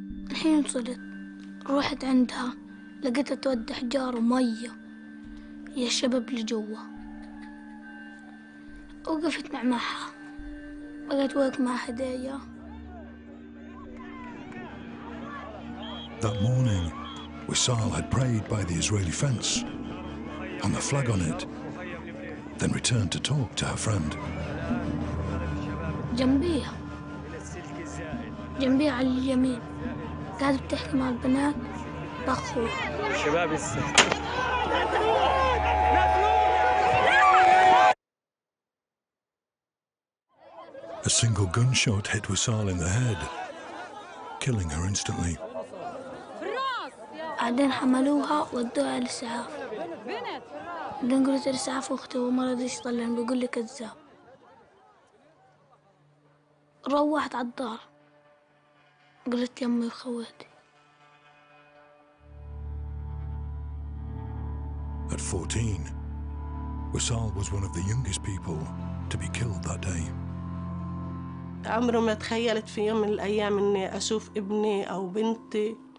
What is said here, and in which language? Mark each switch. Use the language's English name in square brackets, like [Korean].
[Arabic] الحين وصلت روحت عندها لقيتها تودي حجار ومية يا شباب لجوا وقفت مع معها بقيت وقت مع هدايا [English] That morning, Wissal had prayed by the Israeli fence, hung a flag on it, then returned to talk to her friend. [Arabic] جنبيها. جنبيها على اليمين. قاعدة بتحكي مع البنات بأخوها. شباب [English] A single gunshot hit Wissal in the head, killing her instantly. [Arabic] بعدين حملوها ودوها للإسعاف. بعدين قلت للإسعاف أختي وما رضيش يطلعني بيقول لي كذاب. روحت على الدار. قلت يا أمي وخواتي. [English] At 14, Wissal was one of the youngest people to be killed that day. [Arabic] عمري ما تخيلت في يوم من الأيام إني أشوف ابني أو بنتي